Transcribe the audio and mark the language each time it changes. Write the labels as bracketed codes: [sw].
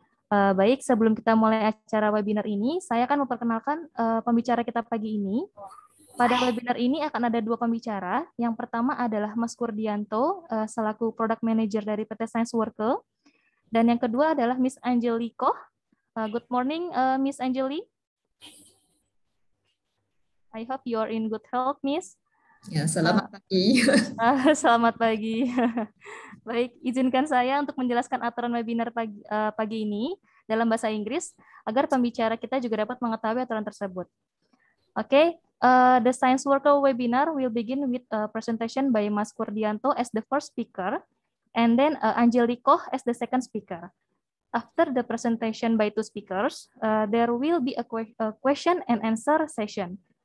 [id] Baik, sebelum kita mulai acara webinar ini, saya akan memperkenalkan pembicara kita pagi ini. Pada webinar ini akan ada dua pembicara. Yang pertama adalah Mas Kurdianto, selaku Product Manager dari PT Science Worker. Dan yang kedua adalah Miss Angeli Koh. [en] Good morning, Miss Angeli. I hope you are in good health, Miss. [id] Ya, selamat pagi. Selamat pagi. Baik, izinkan saya untuk menjelaskan aturan webinar pagi ini dalam bahasa Inggris agar pembicara kita juga dapat mengetahui aturan tersebut. [en] Oke, the Science Worker webinar will begin with a presentation by Mas Kurdianto as the first speaker and then Angeli Koh as the second speaker. After the presentation by two speakers, there will be a question and answer session.